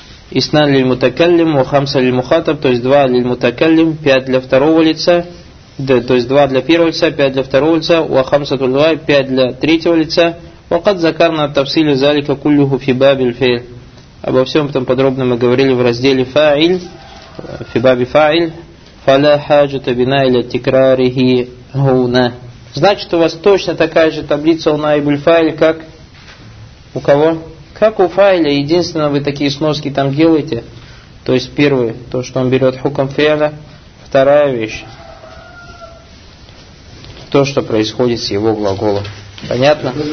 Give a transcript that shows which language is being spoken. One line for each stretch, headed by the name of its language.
Arabic: Исна лиль мутакаллим, ва хамса лиль мухатаб.
Russian: То есть два лиль мутакаллим, пять для второго лица. Да, то есть два для первого лица, пять для второго лица. Ва хамса туль два, пять для третьего лица.
Arabic: وقد ذكرنا تفصيل ذلك كله في باب الفعل.
Russian: Обо всем этом подробно мы говорили в разделе فاعل
Arabic: في باب فاعل. فلا حاجة بنا إلى تكراره هنا.
Russian: Значит, у вас точно такая же таблица у نائب الفاعل, как у кого? Как у فاعل. Единственное, вы такие сноски там делаете. То есть первое, то, что он берет حكم فعل. Вторая вещь, то, что происходит с его глаголом. Понятно?